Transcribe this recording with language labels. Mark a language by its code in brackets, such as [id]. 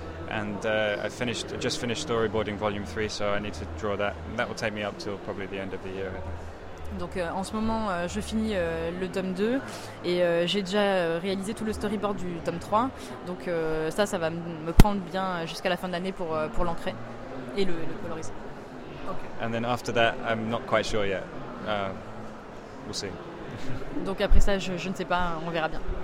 [en] And I just finished storyboarding volume 3, so I need to draw that. And that will take me up till probably the end of the year. [fr] Donc en ce moment, je finis le tome 2 et j'ai déjà réalisé tout le storyboard du tome 3. Donc ça va me prendre bien jusqu'à la fin de l'année pour l'ancrer et le coloriser. [en] Okay. And then after that, I'm not quite sure yet. We'll see. [fr] Donc après ça, je ne sais pas, on verra bien.